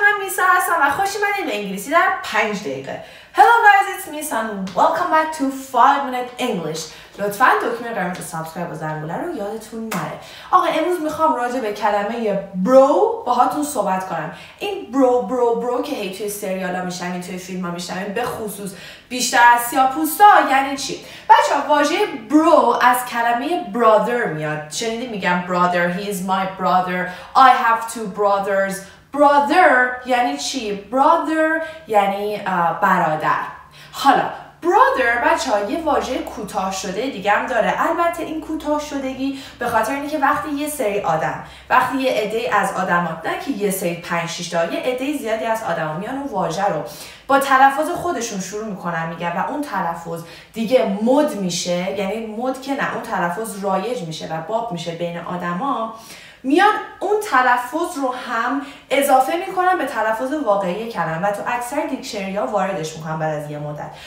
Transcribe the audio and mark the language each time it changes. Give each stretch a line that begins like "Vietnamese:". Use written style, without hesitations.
Persian: لیسا هستم و خوش اومدید به انگلیسی در 5 دقیقه.
English: Hello guys, it's me and welcome back to 5 minute English.
Persian: لطفاً دکمه قرمز سابسکرایب و زنگوله رو یادتون نره. آقا امروز میخوام راجع به کلمه برو باهاتون صحبت کنم. این برو برو برو که هی توی سریال ها میشنم، توی فیلم ها میشنم، به خصوص بیشتر از سیاه‌پوستا، یعنی چی؟ بچه ها واژه برو از کلمه برادر میاد. چنینی میگم برادر،
English: he is my brother, I have two brothers.
Persian: برادر یعنی چی؟ برادر یعنی برادر. حالا برادر بچه‌ها یه واژه کوتاه شده دیگه هم داره. البته این کوتاه شدگی به خاطر اینه که وقتی یه سری آدم، وقتی یه عده از آدم‌ها، نه که یه سری 5-6 تا، یه عده زیادی از آدم‌ها میان اون واژه رو با تلفظ خودشون شروع میکنن میگن و اون تلفظ دیگه مد میشه، یعنی مد که نه، اون تلفظ رایج میشه و باب میشه بین آدم‌ها، میان اون تلفظ رو هم اضافه میکنن به تلفظ واقعی کلمه و تو اکثر دیکشنری ها واردش میکنن بعد از یه مدت.